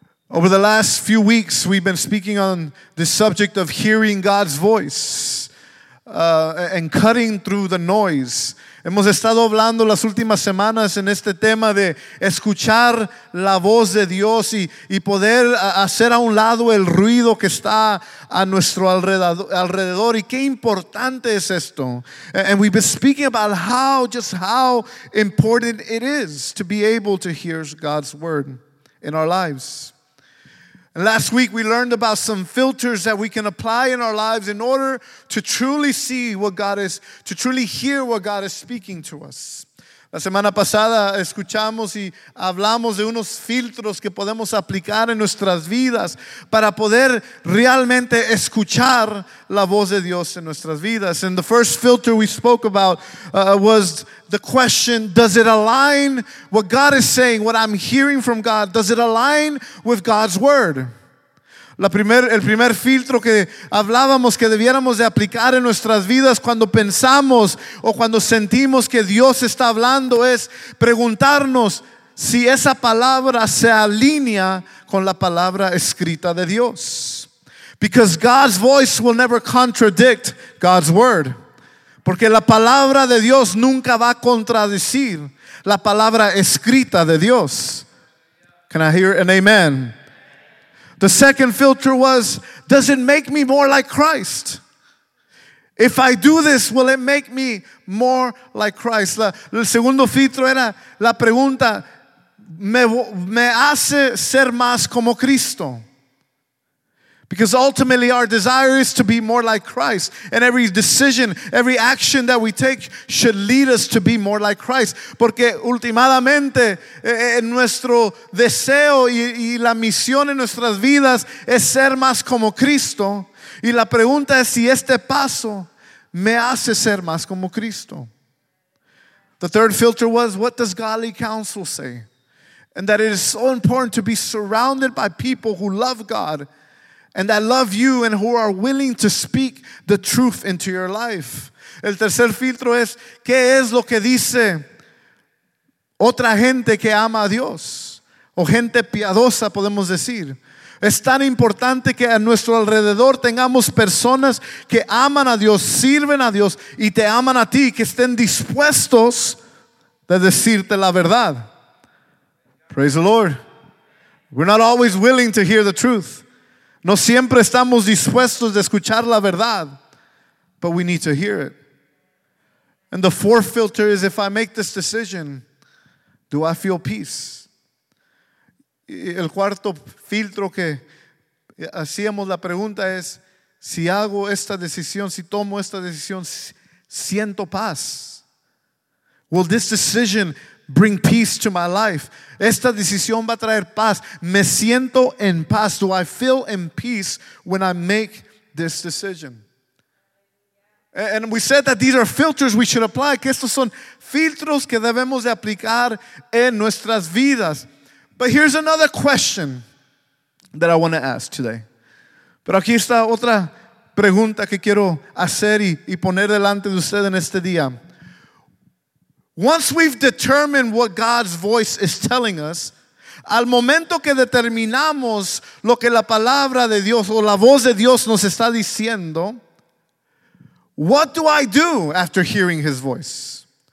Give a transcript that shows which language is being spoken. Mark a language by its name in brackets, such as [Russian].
[English] Over the last few weeks, we've been speaking on the subject of hearing God's voice and cutting through the noise. [Spanish] Hemos estado hablando las últimas semanas en este tema de escuchar la voz de Dios y poder hacer a un lado el ruido que está a nuestro alrededor. Y qué importante es esto. [English] And we've been speaking about how important it is to be able to hear God's word in our lives. Last week we learned about some filters that we can apply in our lives in order to truly hear what God is speaking to us. [Spanish] La semana pasada escuchamos y hablamos de unos filtros que podemos aplicar en nuestras vidas para poder realmente escuchar la voz de Dios en nuestras vidas. [English] And the first filter we spoke about was the question, does it align what God is saying, what I'm hearing from God, does it align with God's word? [Spanish] El primer filtro que hablábamos que debiéramos de aplicar en nuestras vidas cuando pensamos o cuando sentimos que Dios está hablando es preguntarnos si esa palabra se alinea con la palabra escrita de Dios. [English] Because God's voice will never contradict God's word. [Spanish] Porque la palabra de Dios nunca va a contradecir la palabra escrita de Dios. [English] Can I hear an amen? The second filter was, does it make me more like Christ? If I do this, will it make me more like Christ? [Spanish] El segundo filtro era la pregunta, ¿me hace ser más como Cristo? [English] Because ultimately our desire is to be more like Christ. And every decision, every action that we take should lead us to be more like Christ. [Spanish] Porque ultimadamente nuestro deseo y la misión en nuestras vidas es ser más como Cristo. Y la pregunta es si este paso me hace ser más como Cristo. [English] The third filter was, what does godly counsel say? And that it is so important to be surrounded by people who love God and that love you and who are willing to speak the truth into your life. [Spanish] El tercer filtro es, ¿qué es lo que dice otra gente que ama a Dios? O gente piadosa, podemos decir. Es tan importante que a nuestro alrededor tengamos personas que aman a Dios, sirven a Dios y te aman a ti, que estén dispuestos de decirte la verdad. [English] Praise the Lord. We're not always willing to hear the truth. [Spanish] No siempre estamos dispuestos de escuchar la verdad, [English] but we need to hear it. And the fourth filter is, if I make this decision, do I feel peace? [Spanish] El cuarto filtro que hacíamos la pregunta es, si hago esta decisión, si tomo esta decisión, ¿siento paz? [English] Will this decision bring peace to my life? [Spanish] Esta decisión va a traer paz. Me siento en paz. [English] Do I feel in peace when I make this decision? And we said that these are filters we should apply. [Spanish] Que estos son filtros que debemos de aplicar en nuestras vidas. [English] But here's another question that I want to ask today. [Spanish] Pero aquí está otra pregunta que quiero hacer y poner delante de usted en este día. [English] Once we've determined what God's voice is telling us, [Spanish] al momento que determinamos lo que la palabra de Dios o la voz de Dios nos está diciendo, [English] what do I do after hearing His voice?